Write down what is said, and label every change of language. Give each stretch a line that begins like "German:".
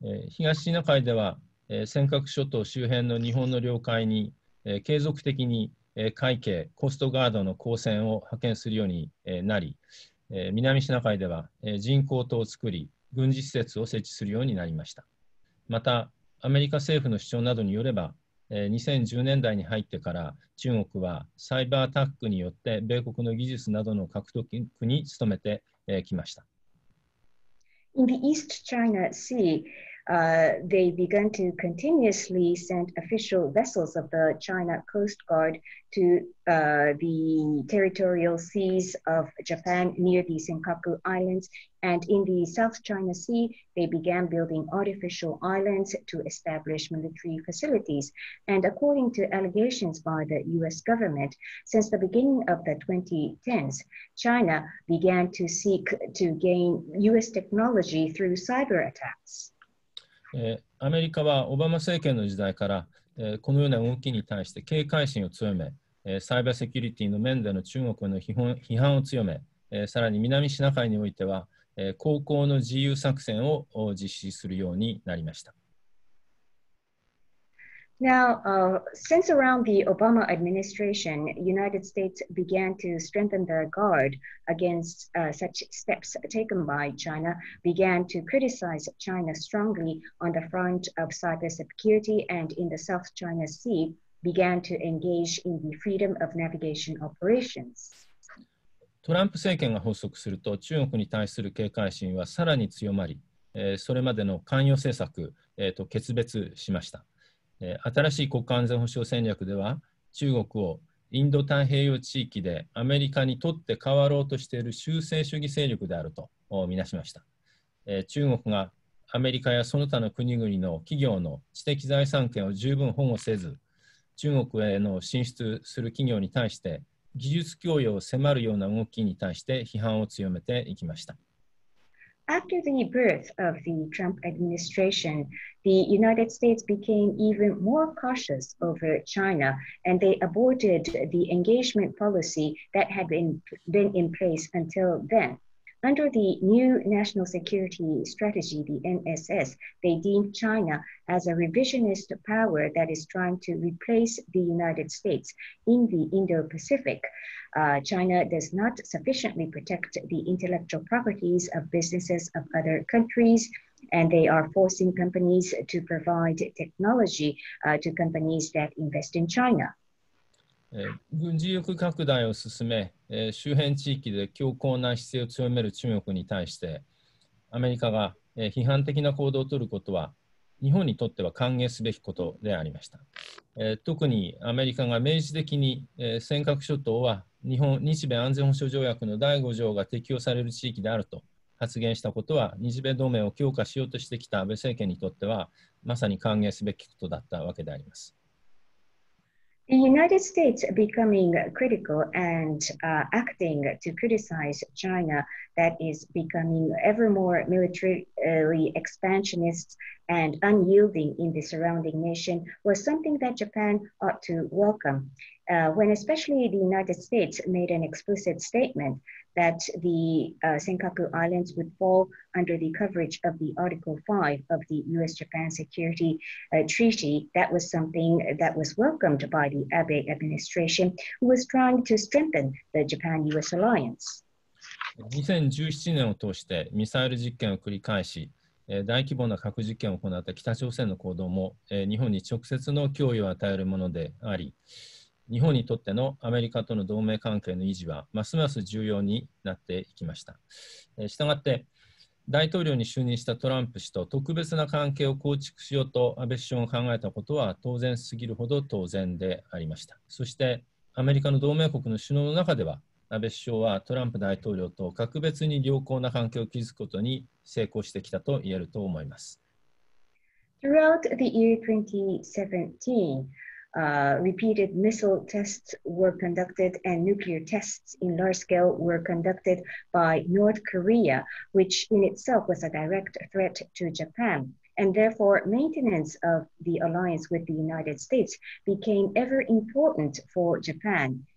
Japanese: 東シナ海では、尖閣諸島周辺の日本の領海に継続的に海警、コストガードの航船を派遣するようになり、南シナ海では人工島を作り、軍事施設を設置するようになりました。また、アメリカ政府の主張などによれば、2010年代に入ってから中国はサイバーアタックによって米国の技術などの獲得に努めてきました。
English: In the East China Sea,they began to continuously send official vessels of the China Coast Guard to the territorial seas of Japan near the Senkaku Islands. And in the South China Sea, they began building artificial islands to establish military facilities. And according to allegations by the US government, since the beginning of the 2010s, China began to seek to gain US technology through cyber attacks.
Japanese: アメリカはオバマ政権の時代から、このような動きに対して警戒心を強め、サイバーセキュリティの面での中国への批判を強め、さらに南シナ海においては、航行の自由作戦を実施するようになりました。
English: Now, since around the Obama administration, United States began to strengthen their guard against such steps taken by China, began to criticize China strongly on the front of cybersecurity and in the South China Sea, began to engage in the freedom of navigation operations.
Japanese: トランプ政権が発足すると中国に対する警戒心はさらに強まり、それまでの関与政策、と決別しました。新しい国家安全保障戦略では中国をインド太平洋地域でアメリカに取って代わろうとしている修正主義勢力であるとみなしました。中国がアメリカやその他の国々の企業の知的財産権を十分保護せず、中国への進出する企業に対して技術供与を迫るような動きに対して批判を強めていきました。
English: After the birth of the Trump administration, the United States became even more cautious over China, and they aborted the engagement policy that had been in place until then. Under the new national security strategy, the NSS, they deemed China as a revisionist power that is trying to replace the United States in the Indo-Pacific. China does not sufficiently protect the intellectual properties of businesses of other countries, and they are forcing companies to provide technology to companies that invest in China.
Japanese: 軍事力拡大を進め、周辺地域で強硬な姿勢を強める中国に対してアメリカが批判的な行動を取ることは日本にとっては歓迎すべきことでありました。特にアメリカが明示的に、尖閣諸島は日本、日米安全保障条約の第5条が適用される地域であると発言したことは、日米同盟を強化しようとしてきた安倍政権にとってはまさに歓迎すべきことだったわけであります。
English: The United States becoming critical and acting to criticize China that is becoming ever more militarily expansionist and unyielding in the surrounding nation was something that Japan ought to welcome. When especially the United States made an explicit statement that the Senkaku Islands would fall under the coverage of the Article 5 of the U.S.-Japan Security Treaty, that was something that was welcomed by the Abe administration, who was trying to strengthen the Japan-U.S. alliance.
Japanese: 2017年を通してミサイル実験を繰り返し、大規模な核実験を行った北朝鮮の行動も、日本に直接の脅威を与えるものであり、日本にとってのアメリカとの同盟関係の維持はますます重要になっていきました。したがって大統領に就任したトランプ氏と特別な関係を構築しようと安倍首相が考えたことは当然すぎるほど当然でありました。そしてアメリカの同盟国の首脳の中では安倍首相はトランプ大統領と格別に良好な関係を築くことに成功してきたと言えると思います。
English: Throughout the year 2017,repeated missile tests were conducted and nuclear tests in large scale were conducted by North Korea, which in itself was a direct threat to Japan. And therefore, maintenance of the alliance with the United States became ever important for Japan.